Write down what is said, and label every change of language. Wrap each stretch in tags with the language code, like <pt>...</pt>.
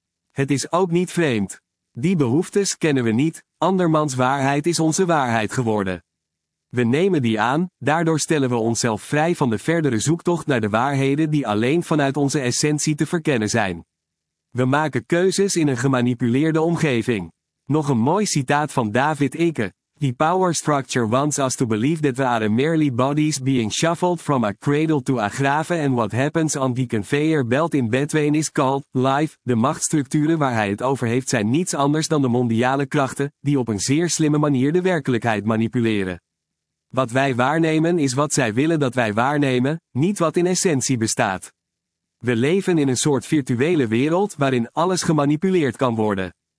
<nl>Het is ook niet vreemd. Die behoeftes kennen we niet, andermans waarheid is onze waarheid geworden. We nemen die aan, daardoor stellen we onszelf vrij van de verdere zoektocht naar de waarheden die alleen vanuit onze essentie te verkennen zijn. We maken keuzes in een gemanipuleerde omgeving. Nog een mooi citaat van David Icke.</nl> <en>The power structure wants us to believe that we are merely bodies being shuffled from a cradle to a grave and what happens on the conveyor belt in between is called life.</en> <nl>De machtsstructuren waar hij het over heeft zijn niets anders dan de mondiale krachten, die op een zeer slimme manier de werkelijkheid manipuleren. Wat wij waarnemen is wat zij willen dat wij waarnemen, niet wat in essentie bestaat. We leven in een soort virtuele wereld waarin alles gemanipuleerd kan worden.</nl>